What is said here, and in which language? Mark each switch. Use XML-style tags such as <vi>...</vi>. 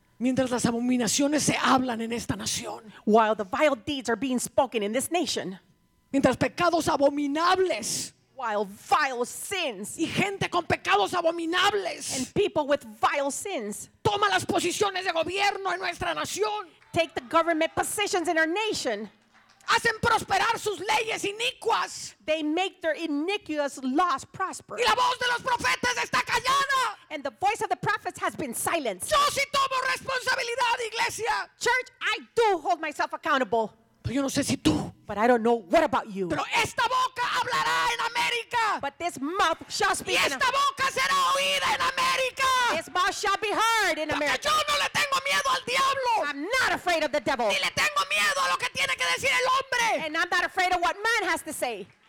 <es>Mientras las abominaciones se hablan en esta nación.</es> <en>While the vile deeds are being spoken in this nation.</en> <es>Mientras pecados abominables.</es> <en>While vile sins.</en> <es>Y gente con pecados abominables.</es> <en>And people with vile sins.</en> <es>Toma las posiciones de gobierno en nuestra nación.</es> <en>Take the government positions in our nation.</en> <es>Hacen prosperar sus leyes inicuas.</es> <en>They make their iniquitous laws prosper.</en> <es>Y la voz de los profetas está callada.</es> <en>And the voice of the prophets has been silenced.</en> <es>Yo sí tomo responsabilidad, iglesia.</es> <en>Church, I do hold myself accountable.</en> <es>Pero yo no sé si tú.</es> <en>But I don't know what about you.</en> <es>Pero esta boca hablará en América.</es> <en>But this mouth shall speak.</en> <es>Y esta boca será oída en América.</es> <en>This mouth shall be heard in America.</en> <es>Porque yo no le tengo miedo al diablo.</es> <en>I'm not afraid of the devil.</en> <es>Ni le tengo miedo a lo que tiene que decir el hombre.</es> <en>And I'm not afraid of what man has to say.</en>